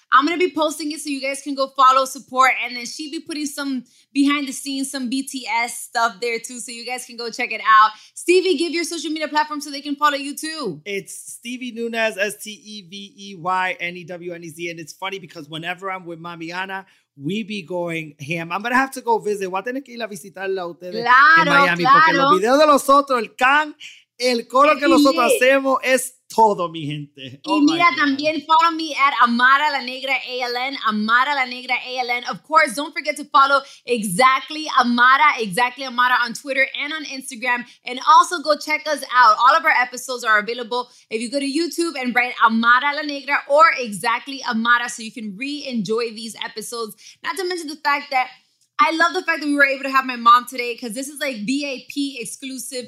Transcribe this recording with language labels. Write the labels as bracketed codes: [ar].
[en] I'm going to be posting it so you guys can go follow, support. And then she'll be putting some behind the scenes, some BTS stuff there too. So you guys can go check it out. Stevie, give your social media platform so they can follow you too. It's Stevie Nunez, S-T-E-V-E-Y-N-E-Z. And it's funny because whenever I'm with Mamiana, we be going ham. I'm going to have to go visit. [es] Voy a tener que ir a visitarla a ustedes en Miami. Claro. Porque los videos de nosotros, el can, el coro que nosotros hacemos es todo, mi gente. Oh, y mira, también [en] follow me at [es] Amara La Negra ALN, Amara La Negra ALN. [en] Of course, don't forget to follow Exactly Amara on Twitter and on Instagram. And also go check us out. All of our episodes are available if you go to YouTube and write Amara La Negra or Exactly Amara so you can re-enjoy these episodes. Not to mention the fact that I love the fact that we were able to have my mom today because this is like VIP exclusive.